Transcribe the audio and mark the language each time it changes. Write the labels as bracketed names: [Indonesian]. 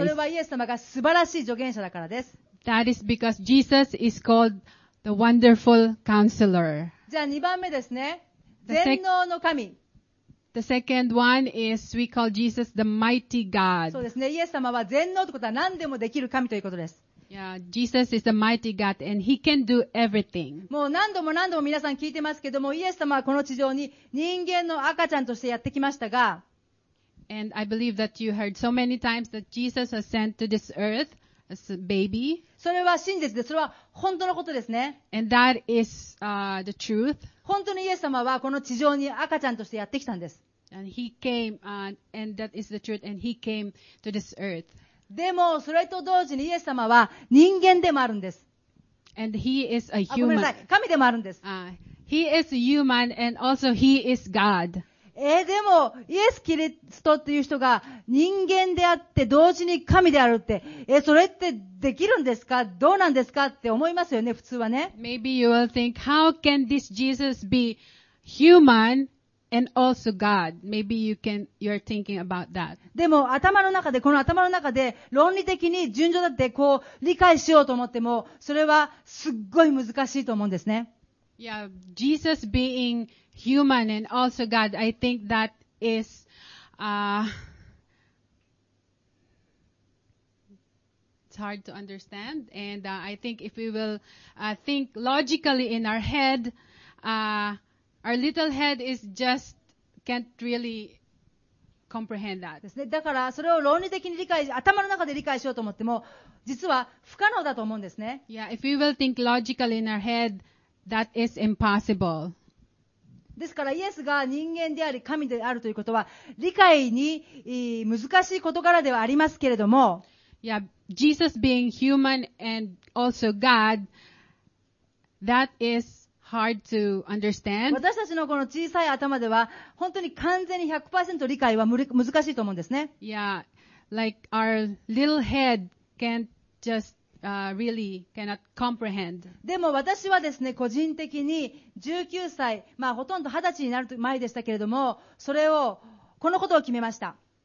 [Japanese] それはイエス様が素晴らしい助言者だからです。 [English] That is because Jesus is called the wonderful counselor. [Japanese] じゃあ2番目ですね。全能の神。 [English] The second one is we call Jesus the mighty God. [Japanese] そうですね。イエス様は全能ということは何でもできる神ということです。 [English] Yeah, Jesus is the mighty God and he can do everything. [Japanese] もう何度も何度も皆さん聞いてますけども、イエス様はこの地上に人間の赤ちゃんとしてやってきましたが、 [English] And I believe that you heard so many times that Jesus was sent to this earth as a baby. [Japanese] それは真実です。それは本当のことですね。 [English] And that is, the truth. [Japanese] 本当にイエス様はこの地上に赤ちゃんとしてやってきたんです。 [English] And he came, and that is the truth, and he came to this earth. [Japanese] でも、それと同時にイエス様は人間でもあるんです。 [English] And he is a human. [Japanese] ごめんなさい、神でもあるんです。 [English] He is human, and also he is God. [Japanese] でも、イエス・キリストっていう人が人間であって同時に神であるって、それってできるんですか？どうなんですか？って思いますよね、普通はね。 [English] Maybe you will think, how can this Jesus be human and also God? Maybe you're thinking about that. [Japanese] でも、この頭の中で論理的に順序だってこう理解しようと思っても、それはすっごい難しいと思うんですね。 [English] Yeah, Jesus being human and also God, I think that is, it's hard to understand. And I think if we will think logically in our head, our little head is just can't really comprehend that. [Japanese] ですね。だからそれを論理的に理解し、頭の中で理解しようと思っても、実は不可能だと思うんですね。 [English] Yeah, if we will think logically in our head, that is impossible. [Japanese] ですからイエスが人間であり神であるということは理解に難しい事柄ではありますけれども、 [English] Yeah, Jesus being human and also God, that is hard to understand. [Japanese] 私たちのこの小さい頭では本当に完全に 100% 理解は難しいと思うんですね。 [English] Yeah, like our little head can't just really cannot comprehend. [Japanese] でも私はですね、個人的に19歳、まあ、ほとんど20歳になる前でしたけれども、それをこのことを決めました。